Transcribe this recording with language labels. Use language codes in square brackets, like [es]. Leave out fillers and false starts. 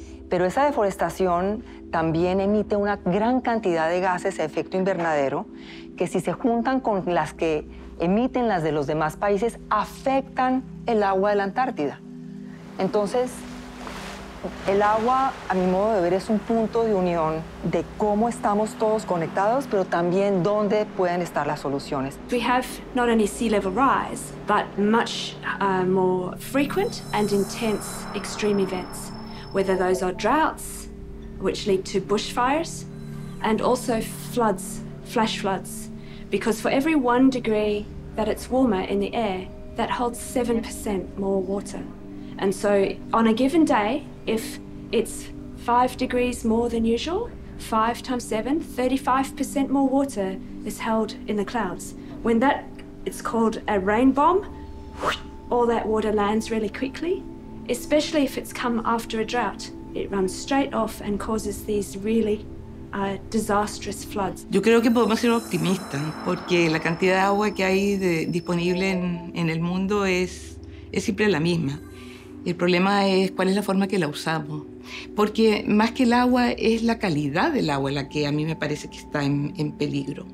[es] Pero esa deforestación también emite una gran cantidad de gases de efecto invernadero que si se juntan con las que emiten las de los demás países, afectan el agua de la Antártida. Entonces, el agua, a mi modo de ver, es un punto de unión de cómo estamos todos conectados, pero también dónde pueden estar las soluciones. [en] We have not only sea level rise, but much more frequent and intense extreme events, whether those are droughts, which lead to bushfires, and also floods, flash floods. Because for every 1 degree that it's warmer in the air, that holds 7% more water. And so on a given day, if it's 5 degrees more than usual, 5 times 7, 35% more water is held in the clouds. When that, it's called a rain bomb, all that water lands really quickly, especially if it's come after a drought. It runs straight off and causes these really disastrous floods. [es] Yo creo que podemos ser optimistas porque la cantidad de agua que hay disponible en el mundo es siempre la misma. El problema es cuál es la forma que la usamos. Porque más que el agua, es la calidad del agua la que a mí me parece que está en peligro.